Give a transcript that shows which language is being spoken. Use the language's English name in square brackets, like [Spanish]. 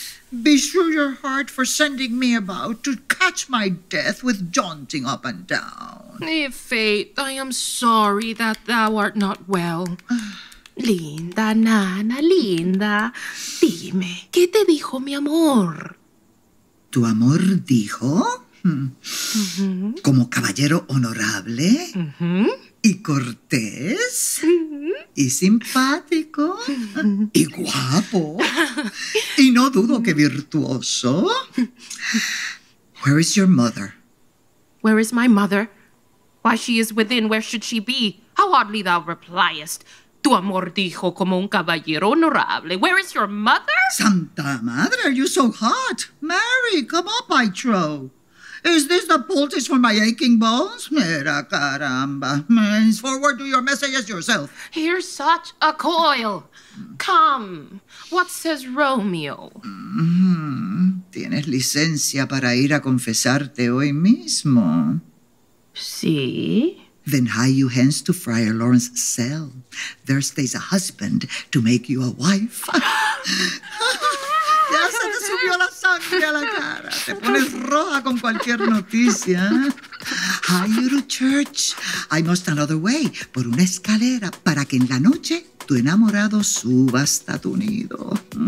[English] Beshrew your heart for sending me about to catch my death with jaunting up and down. Nay, Faith, I am sorry that thou art not well. [Spanish] Linda, nana, linda, dime, ¿qué te dijo mi amor? ¿Tu amor dijo? Como caballero honorable y cortés y simpático y guapo y no dudo que virtuoso. [English] Where is your mother? Where is my mother? Why, she is within. Where should she be? How oddly thou repliest. [Spanish] Tu amor dijo como un caballero honorable. [English] Where is your mother? [Spanish] Santa madre, [English] you so hot. Mary, come up, I trow. Is this the poultice for my aching bones? [Spanish] Mira, caramba. [English] Forward to your messages yourself. Here's such a coil. Come, what says Romeo? [Spanish] ¿Tienes licencia para ir a confesarte hoy mismo? Sí. [English] Then hie you hence to Friar Lawrence's cell. There stays a husband to make you a wife. [Spanish] Ya se te subió la sangre a la cara. Te pones roja con cualquier noticia. [English] Hie you to church. I must another way, [Spanish] por una escalera, para que en la noche tu enamorado suba hasta tu nido.